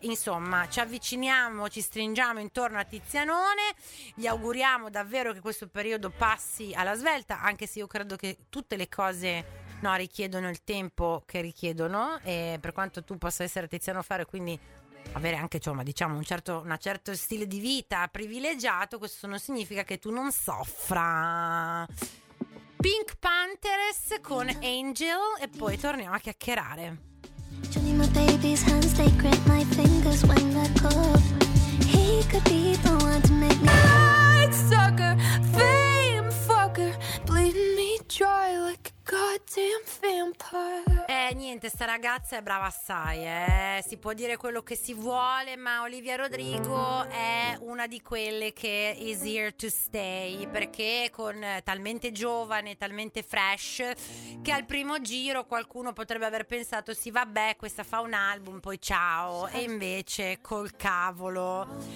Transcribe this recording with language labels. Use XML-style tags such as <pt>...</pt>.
<it>Insomma, ci avviciniamo, ci stringiamo intorno a Tizianone, gli auguriamo davvero che questo periodo passi alla svelta, anche se io credo che tutte le cose, no, richiedono il tempo che richiedono, e per quanto tu possa essere Tiziano Ferro, quindi avere anche, insomma, diciamo un certo, una certo stile di vita privilegiato, questo non significa che tu non soffra. Pink Panthers con Angel, e poi torniamo a chiacchierare.</it> <en>Johnny, my baby's hands, they grip my fingers when they're cold. He could be the one to make me like sucker, fame fucker, bleeding me dry like a goddamn vampire.</en> <it>Niente, sta ragazza è brava assai, si può dire quello che si vuole, ma Olivia Rodrigo è una di quelle che</it> <en>is here to stay,</en> <it>perché con talmente giovane, talmente fresh, che al primo giro qualcuno potrebbe aver pensato, sì vabbè, questa fa un album, poi ciao, e invece col cavolo,</it>